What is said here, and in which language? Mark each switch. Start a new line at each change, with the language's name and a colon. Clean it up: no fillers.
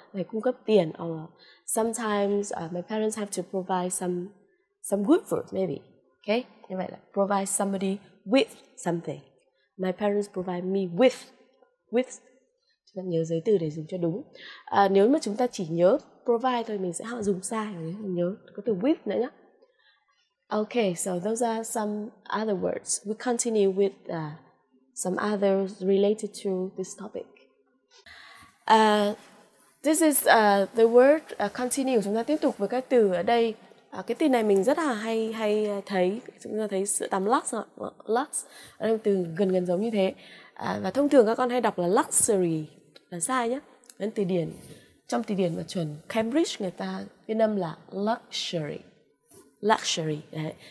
Vietnamese: Phải cung cấp tiền.
English: Or sometimes my parents have to provide some good food maybe. Okay?
Vietnamese: Như vậy là
English: provide somebody with something. My parents provide me with.
Vietnamese: Chúng ta nhớ giới từ để dùng cho đúng. Nếu mà chúng ta chỉ nhớ provide thôi mình sẽ họ dùng sai, nhớ có từ with nữa nhá.
English: Okay, so those are some other words. We continue with some others related to this topic. This is the word continue.
Vietnamese: Chúng ta tiếp tục với cái từ ở đây. Cái từ này mình rất là hay thấy. Chúng ta thấy sữa tắm Lux không? Lux. Đây từ gần giống như thế. Và thông thường các con hay đọc là luxury là sai nhá. Nên từ điển trong từ điển mà chuẩn Cambridge người ta viết âm là luxury. Luxury đấy.